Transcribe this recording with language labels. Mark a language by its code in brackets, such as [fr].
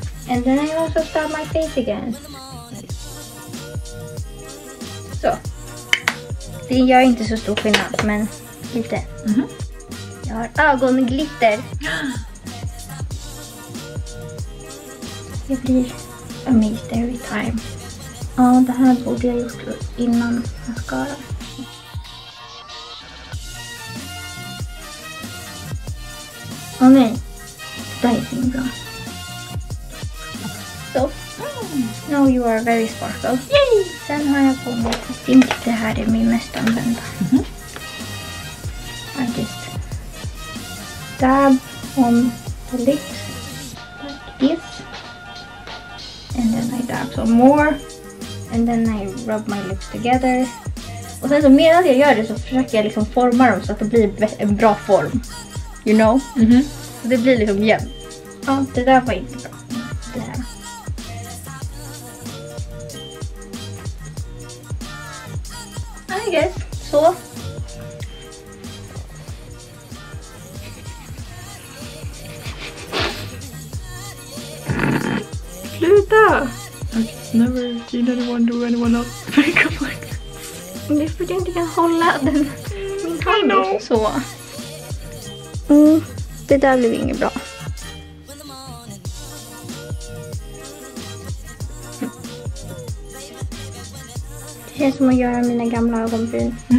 [en] And then I also stab my face again. [sv] Så. Det gör inte så stor skillnad, men lite. Mm-hmm. Jag har ögonglitter. Jag blir [en] amazed every time. [sv] Ja, det här borde jag gjort innan mascara. Åh nej, det är inte bra. Så, [en] now you are very sparkle. Yay! [sv] Sen har jag på mig, jag tänkte att det här är min mest använda. [en] I just dab on the lips like this. And then I dab some more. And then I rub my lips together. [sv] Och sen så medan jag gör det så försöker jag liksom forma dem så att det blir en bra form. [en] You know? [sv] Så det blir liksom jämnt. Ja, det där var inte bra. Det här. [en] I guess. [sv] Så. Sluta! [en] I've never seen anyone do anyone else makeup like that. [sv] Det är för att jag inte kan hålla den. Min hand är så. Det där blev inget bra. Det känns som att göra mina gamla ögonbryn.